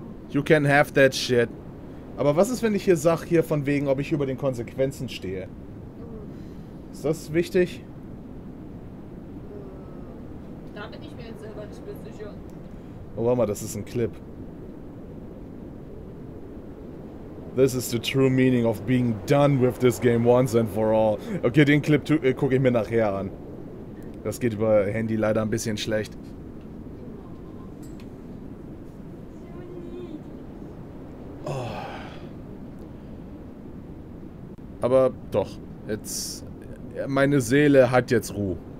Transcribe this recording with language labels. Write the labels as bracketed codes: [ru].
[en] You can have that shit. [de] Aber was ist, wenn ich hier sag, hier von wegen, ob ich über den Konsequenzen stehe? Ist das wichtig? Da bin ich mir jetzt selber nicht mehr sicher. Oh, warte mal, das ist ein Clip. [en] This is the true meaning of being done with this game once and for all. [de] Okay, den Clip gucke ich mir nachher an. Das geht über Handy leider ein bisschen schlecht. Oh. Aber doch, jetzt... Meine Seele hat jetzt Ruhe.